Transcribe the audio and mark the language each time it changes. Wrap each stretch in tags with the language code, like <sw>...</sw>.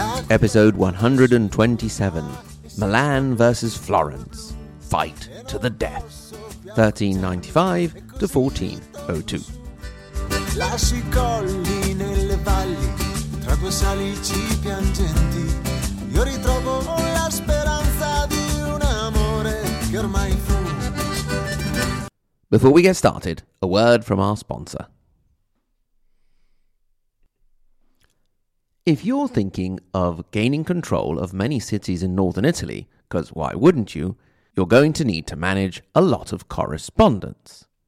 <en>Episode 127, Milan versus Florence, fight to the death, 1395 to 1402.</en> <it>Lascio I colli nelle valli, tra due salici piangenti, io ritrovo la speranza di un amore che ormai fu.</it> <en>Before we get started, a word from our sponsor. If you're thinking of gaining control of many cities in northern Italy, because why wouldn't you, you're going to need to manage a lot of correspondence.</en>